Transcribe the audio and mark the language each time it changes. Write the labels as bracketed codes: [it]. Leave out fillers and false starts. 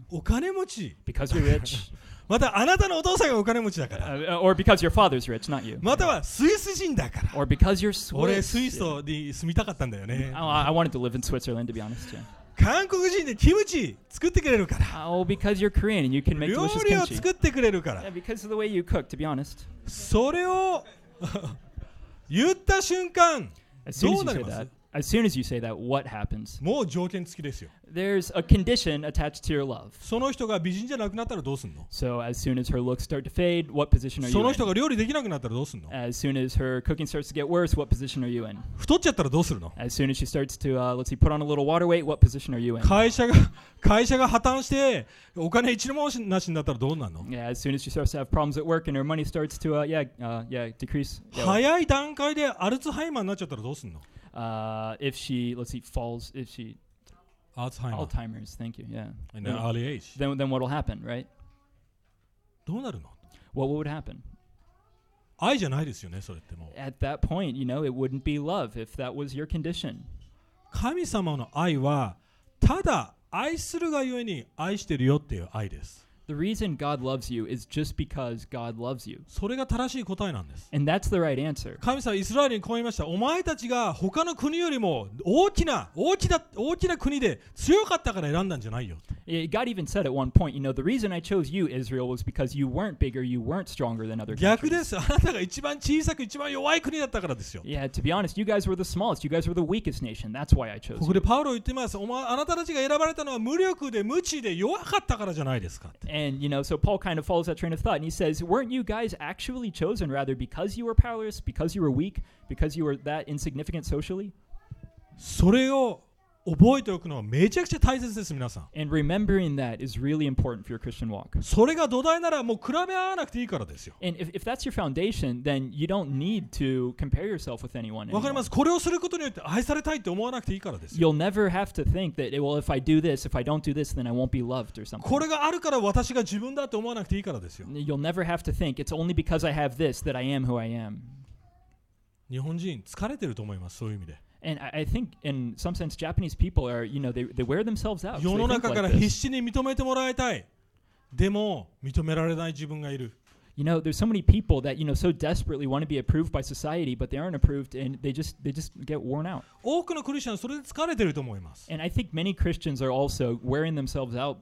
[ja] お金持ち。 [en] Because you're rich. [ja] またあなたのお父さんがお金持ちだから。 [en] Or because your father's rich, not you. [ja] またはスイス人だから。 [en] Or because you're Swiss. [ja] 俺スイスに住みたかったんだよね。 [en] I wanted to live in Switzerland, to be honest, yeah. [ja] 韓国人でキムチ作ってくれるから。 [en] Oh, because you're Korean and you can make delicious kimchi. [ja] 料理を作ってくれるから。 [en] Yeah, because of the way you cook, to be honest. [ja] それを言った瞬間、 [en] As soon as you say that, As soon as you say that, what happens? [ja] もう条件付きですよ。 [en] There's a condition attached to your love. [ja] その人が美人じゃなくなったらどうすんの? [en] So as soon as her looks start to fade, what position are you in? [ja] その人が料理できなくなったらどうすんの? [en] As soon as her cooking starts to get worse, what position are you in? [ja] 太っちゃったらどうするの? [en] As soon as she starts to, let's see, put on a little water weight, what position are you in? [ja] 会社が破綻してお金一文もなしになったらどうなの? [en] Yeah, as soon as she starts to have problems at work and her money starts to, decrease. [ja] 早い段階でアルツハイマーになっちゃったらどうすんの? [en] If she, let's see, falls, if she... Alzheimer's, thank you, yeah. In an early age. Then what will happen, right? [ja] どうなるの? [en] What would happen? [ja] 愛じゃないですよね、それってもう。 [en] At that point, you know, it wouldn't be love if that was your condition. [ja] 神様の愛は、ただ愛するがゆえに愛してるよっていう愛です。 [en] The reason God loves you is just because God loves you. [ja] それが正しい答えなんです。 [en] And that's the right answer. [ja] 神様はイスラエルにこう言いました。お前たちが他の国よりも大きな国で強かったから選んだんじゃないよ。 [en] God even said at one point, you know, the reason I chose you, Israel, was because you weren't bigger, you weren't stronger than other countries. [ja] 逆です。あなたが一番小さく一番弱い国だったからですよ。 [en] Yeah, to be honest, you guys were the smallest. You guys were the weakest nation. That's why I chose you. [ja] ここでパウロ言ってます。あなたたちが選ばれたのは無力で無知で弱かったからじゃないですか。 [en] And you know, so Paul kind of follows that train of thought, and he says, "Weren't you guys actually chosen rather because you were powerless, because you were weak, because you were that insignificant socially?" [ja] それを覚えておくのはめちゃくちゃ大切です、皆さん。 [en] And remembering that is really important for your Christian walk. [ja] それが土台ならもう比べ合わなくていいからですよ。 [en] And if that's your foundation, then you don't need to compare yourself with anyone. [ja] わかります。これをすることによって愛されたいって思わなくていいからですよ。 [en] You'll never have to think that, well, if I do this, if I don't do this, then I won't be loved or something. [ja] これがあるから私が自分だって思わなくていいからですよ。 [en] You'll never have to think it's only because I have this that I am who I am. [ja] 日本人疲れてると思います、そういう意味で。 [en] And I think in some sense Japanese people are, you know, they wear themselves out. [ja] 世の中から必死に認めてもらいたい。でも認められない自分がいる。 [en] You know, there's so many people that, you know, so desperately want to be approved by society, but they aren't approved and they just get worn out. [ja] 多くのクリスチャンはそれで疲れてると思います。 [en] And I think many Christians are also wearing themselves out,